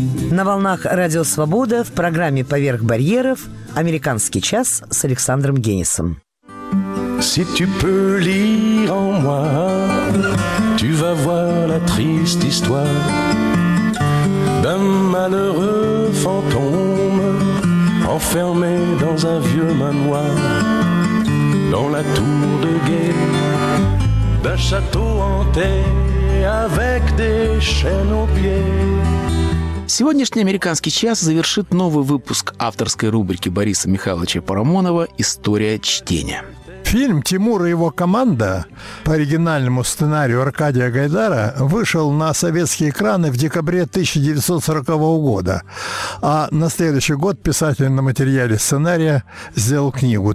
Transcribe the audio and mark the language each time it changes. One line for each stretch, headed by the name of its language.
Russian: На волнах «Радио Свобода» в программе «Поверх барьеров» «Американский час» с Александром Генисом.
French: Si tu peux lire en moi, tu vas voir la triste histoire d'un malheureux fantôme enfermé dans un vieux manoir dans la tour de guet d'un château hanté avec des chaînes aux pieds.
Russian: Сегодняшний «Американский час» завершит новый выпуск авторской рубрики Бориса Михайловича Парамонова «История чтения». Фильм «Тимур и его команда» по оригинальному сценарию Аркадия Гайдара вышел на советские экраны в декабре 1940 года, а на следующий год писатель на материале сценария сделал книгу.